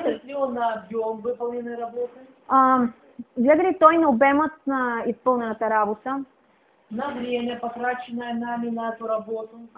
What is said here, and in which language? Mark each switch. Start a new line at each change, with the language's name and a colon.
Russian: Смотрит ли Он на объем выполненной работы?
Bulgarian: Гледа ли Той на обемът на изпълнената работа?
Russian: На время, потраченное нами на эту работу.